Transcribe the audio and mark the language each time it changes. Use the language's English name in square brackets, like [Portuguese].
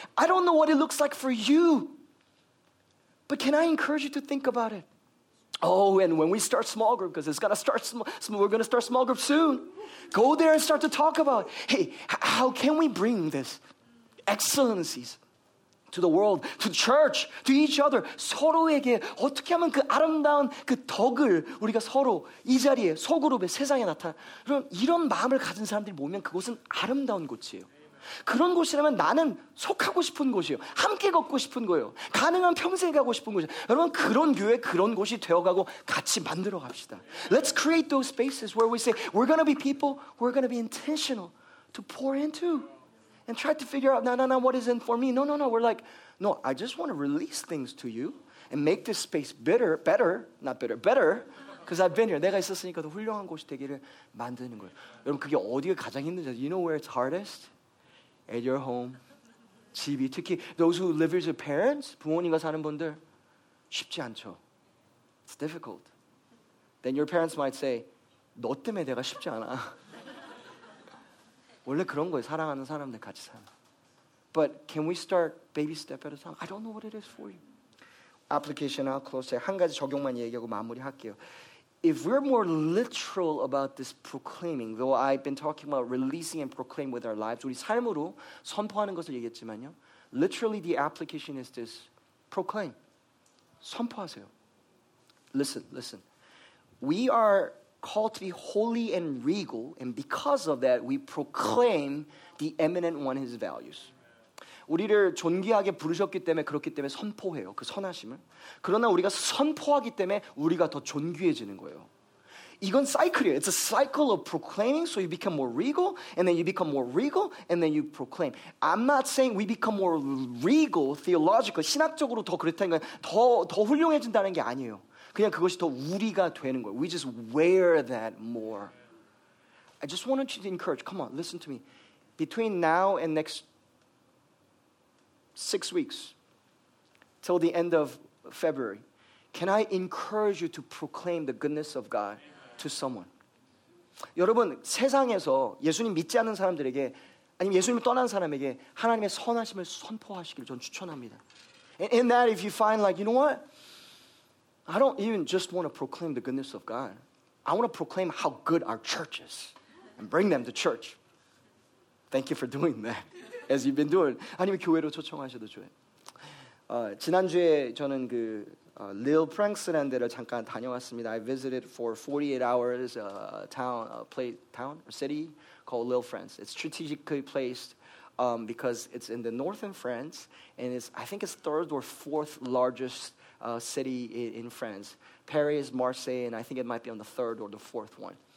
[English] I don't know what it looks like for you, but can I encourage you to think about it? Oh, and when we start small group, because it's going to start small, we're going to start small group soon. Go there and start to talk about, hey, how can we bring this excellencies to the world, to the church, to each other? [Korean] 서로에게 어떻게 하면 그 아름다운 그 덕을 우리가 서로 이 자리에, 소그룹에, 세상에 나타나. 그럼 이런 마음을 가진 사람들이 모이면 그곳은 아름다운 곳이에요. 그런 곳이라면 나는 속하고 싶은 곳이에요. 함께 걷고 싶은 거예요. 가능한 평생 가고 싶은 곳이에요. 여러분, 그런 교회, 그런 곳이 되어가고 같이 만들어 갑시다. [English] Let's create those spaces where we say, we're going to be people, we're going to be intentional to pour into. And try to figure out, no, what is in for me? No. We're like, no, I just want to release things to you and make this space better, because I've been here. [Korean] 내가 있었으니까 더 훌륭한 곳이 되기를 만드는 거예요. 여러분, 그게 어디가 가장 힘든지, [English] you know where it's hardest? At your home, [Korean] 집이. 특히 [English] those who live with your parents, [Korean] 부모님과 사는 분들, 쉽지 않죠. [English] It's difficult. Then your parents might say, [Korean] 너 때문에 내가 쉽지 않아. 원래 그런 거예요. 사랑하는 사람들 같이 살아. [English] But can we start baby step at a time? I don't know what it is for you. Application, I'll close. [Korean] 제가 한 가지 적용만 얘기하고 마무리할게요. [English] If we're more literal about this proclaiming, though I've been talking about releasing and proclaim with our lives, [Korean] 우리 삶으로 선포하는 것을 얘기했지만요. [English] Literally, the application is this. Proclaim. [Korean] 선포하세요. [English] Listen. We are called to be holy and regal, and because of that, we proclaim the eminent one, his values. [Korean] 우리를 존귀하게 부르셨기 때문에 그렇기 때문에 선포해요, 그 선하심을. 그러나 우리가 선포하기 때문에 우리가 더 존귀해지는 거예요. 이건 사이클이에요. [English] It's a cycle of proclaiming, so you become more regal, and then you become more regal, and then you proclaim. I'm not saying we become more regal theologically, [Korean] 신학적으로 더 그렇다는 건 더 훌륭해진다는 게 아니에요. 그냥 그것이 더 우리가 되는 거예요. [English] We just wear that more. I just wanted you to encourage. Come on, listen to me. Between now and next 6 weeks, till the end of February, can I encourage you to proclaim the goodness of God to someone? [Korean] 여러분, 세상에서 예수님 믿지 않는 사람들에게, 아니면 예수님을 떠난 사람에게 하나님의 선하심을 선포하시기를 저는 추천합니다. [English] In that, if you find like, you know what? I don't even just want to proclaim the goodness of God. I want to proclaim how good our church is and bring them to church. Thank you for doing that, as you've been doing. [Korean] 아니면 교회로 초청하셔도 좋아요. 지난주에 저는 그 Lil Frankslander를 잠깐 다녀왔습니다. [English] I visited for 48 hours a city called Lil France. It's strategically placed because it's in the northern France, and I think it's third or fourth largest city in France. Paris, Marseille, and I think it might be on the third or the fourth one.